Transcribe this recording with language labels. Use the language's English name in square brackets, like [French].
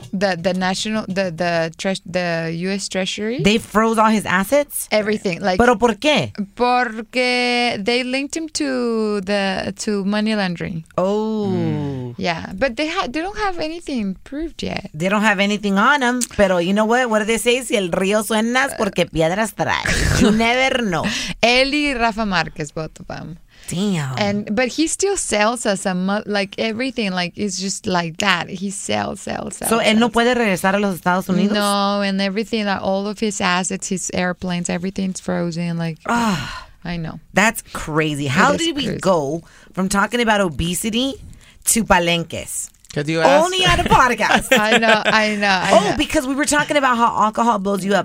[English] The national, the U.S. Treasury. They froze all his assets? Everything. Like, [Spanish] ¿pero por qué? Porque [English] they linked him to money laundering. Oh. Mm. Yeah, but they don't have anything proved yet. They don't have anything on him, [Spanish] pero [English] you know what? What do they say? [Spanish] Si el río suena es porque piedras trae. [English] You never know. [Spanish] Él y Rafa Márquez, [English] both of them. Damn. And but he still sells us like everything, like it's just like that. He sells. So [Spanish] él no puede regresar a los Estados Unidos? [English] No, and everything, like, all of his assets, his airplanes, everything's frozen, like I know. That's crazy. How did we go from talking about obesity to palenques? Because you asked. Only on a podcast. I know. Because we were talking about how alcohol blows you up.